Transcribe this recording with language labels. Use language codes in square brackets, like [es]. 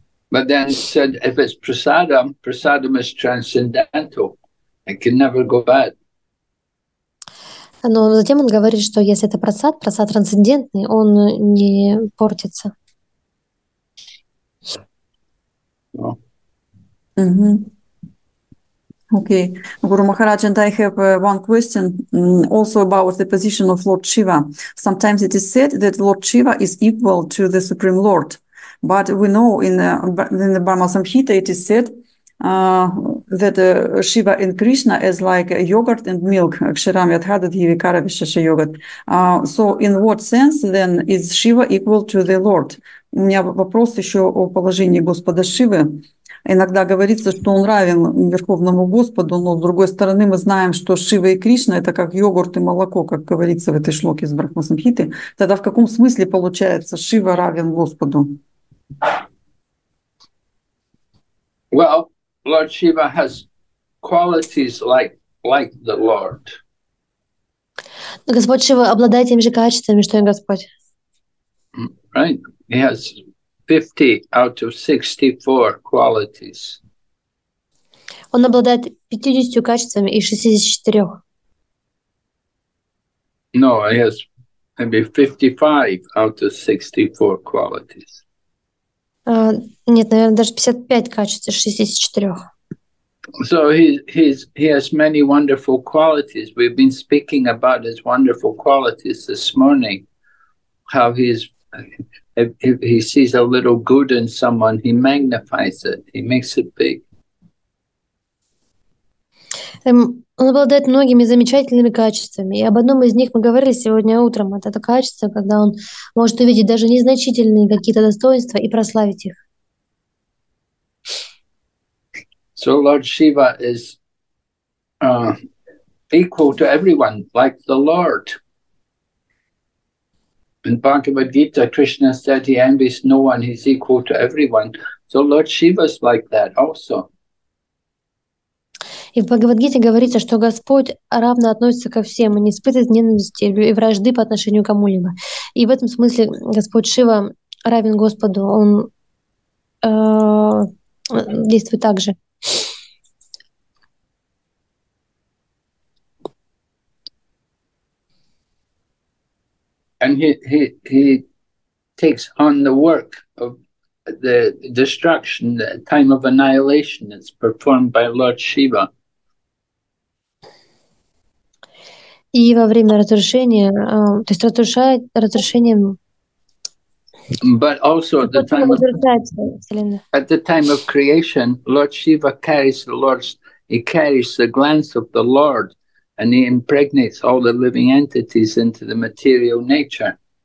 [en] But then it said, if it's prasadam, prasadam is transcendental. It can never go bad. [ru] Но затем он говорит, что если это просад, просад трансцендентный, он не портится. Mm-hmm. [en] Okay, Guru Maharaj, and I have one question also about the position of Lord Shiva. Sometimes it is said that Lord Shiva is equal to the Supreme Lord, but we know in the Brahma Samhita it is said that Shiva and Krishna is like yogurt and milk. So in what sense then is Shiva equal to the Lord? [ru] У меня вопрос еще о положении Господа Шивы. Иногда говорится, что он равен Верховному Господу, но с другой стороны мы знаем, что Шива и Кришна – это как йогурт и молоко, как говорится в этой шлоке из Брахмасамхиты. Тогда в каком смысле получается Шива равен Господу? [en] Well, Lord Shiva has qualities like the Lord. [ru] Господь Шива обладает теми же качествами, что и Господь. [en] Right. He has 50 out of 64 qualities. [ru] Он обладает 50 качествами из 64. [en] No, he has maybe 55 out of 64 qualities. [ru] Нет, наверное, даже 55 качеств из 64. [en] So he has many wonderful qualities. We've been speaking about his wonderful qualities this morning. How he's if he sees a little good in someone, he magnifies it. He makes it big. [ru] Он обладает многими замечательными качествами. И об одном из них мы говорили сегодня утром. Это качество, когда он может увидеть даже незначительные какие-то достоинства и прославить их. [en] So Lord Shiva is equal to everyone, like the Lord. In Bhagavad Gita, Krishna said he envies no one, he's equal to everyone. So Lord Shiva's like that also. [ru] И в Бхагавад-гите говорится, что Господь равно относится ко всем и не испытывает ненависти и вражды по отношению к кому-либо. И в этом смысле Господь Шива равен Господу. Он действует так же. [en] And he takes on the work of the destruction, the time of annihilation that's performed by Lord Shiva. [ru] И во время разрушения, то есть разрушает разрушением. [en] But also at the time of creation, Lord Shiva carries the Lord's, he carries the glance of the Lord, and he impregnates all the living entities into the material nature.